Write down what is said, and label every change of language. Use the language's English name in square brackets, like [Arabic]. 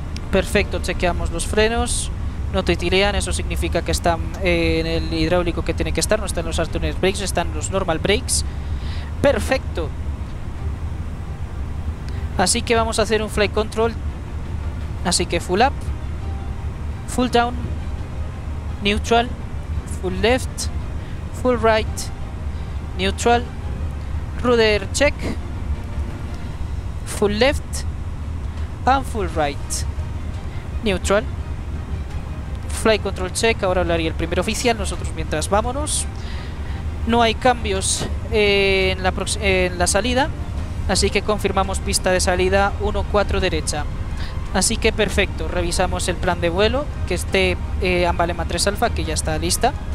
[Spanish] Perfecto, chequeamos los frenos. No titilean, eso significa que están en el hidráulico que tiene que estar. No están los alternate brakes, están los normal brakes. Perfecto. Así que vamos a hacer un flight control. Así que [English] full up, full down, neutral, full left, full right, neutral, rudder check, full left, and full right, neutral. [Spanish] Flight control check, ahora hablaría el primer oficial, nosotros mientras vámonos. No hay cambios en la salida, así que confirmamos pista de salida 1-4 derecha. Así que perfecto, revisamos el plan de vuelo, que esté Ambalema 3 Alfa, que ya está lista.